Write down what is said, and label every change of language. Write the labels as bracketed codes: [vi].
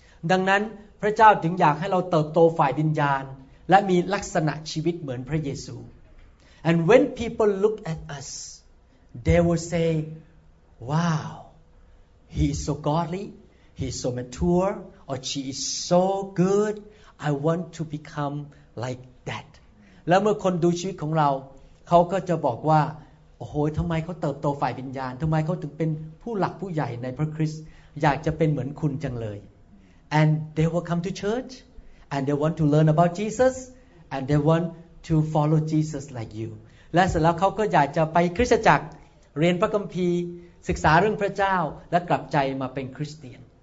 [th] ดังนั้นพระเจ้าถึงอยากให้เราเติบโตฝ่ายวิญญาณและมีลักษณะชีวิตเหมือนพระเยซู [en] And when people look at us, they will say, "Wow, he is so godly, he is so mature, or she is so good. I want to become like that." [th] และเมื่อคนดูชีวิตของเราเขาก็จะบอกว่าโอ้โหทำไมเขาเติบโตฝ่ายวิญญาณทำไมเขาถึงเป็นผู้หลักผู้ใหญ่ในพระคริสต์อยากจะเป็นเหมือนคุณจังเลย [en] and they will come to church and they want to learn about Jesus and they want to follow Jesus like you [th] และเสร็จแล้วเขาก็อยากจะไปคริสตจักรเรียนพระคัมภีร์ศึกษาเรื่องพระเจ้าและกลับใจมาเป็นคริสเตียน